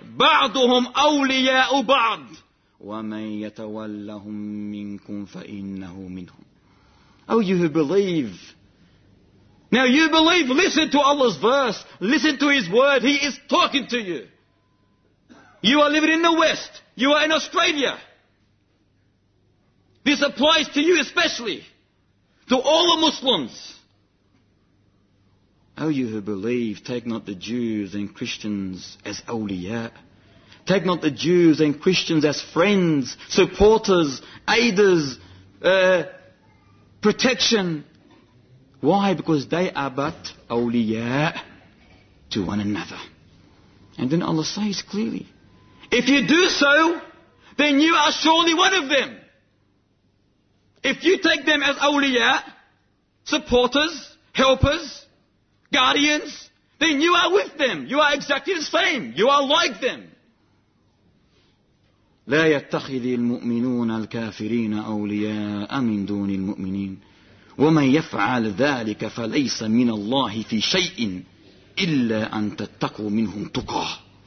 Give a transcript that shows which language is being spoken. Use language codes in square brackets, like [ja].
[ar] بَعْضُهُمْ أَوْلِيَاءُ بَعْضٍ وَمَنْ يَتَوَلَّهُمْ مِنْكُمْ فَإِنَّهُ مِنْهُمْ [en] Oh, you who believe. Now you believe, listen to Allah's verse. Listen to His word. He is talking to you. You are living in the West. You are in Australia. This applies to you especially, to all the Muslims. Oh, you who believe, take not the Jews and Christians as awliya. Take not the Jews and Christians as friends, supporters, aiders, protection. Why? Because they are but awliya to one another. And then Allah says clearly, if you do so, then you are surely one of them. If you take them as awliya, supporters, helpers, guardians, then you are with them. You are exactly the same. You are like them. [ar] لا يتخذ المؤمنون الكافرين أولياء من دون المؤمنين ومن يفعل ذلك فليس من الله في شيء إلا أن تتقوا منهم تقى.